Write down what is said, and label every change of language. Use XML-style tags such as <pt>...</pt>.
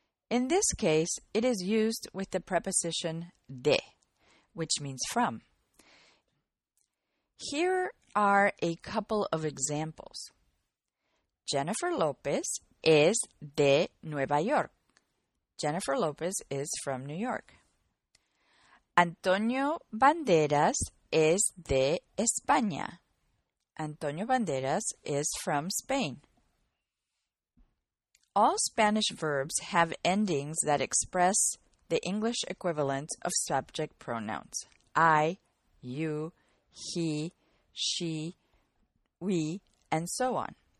<en>In this case, it is used with the preposition de, which means from. Here are a couple of examples.</en> <es>Jennifer Lopez es de Nueva York.</es> <en>Jennifer Lopez is from New York.</en> <es>Antonio Banderas es de España.</es> <en>Antonio Banderas is from Spain. All Spanish verbs have endings that express the English equivalent of subject pronouns. I, you, he, she, we, and so on.</en>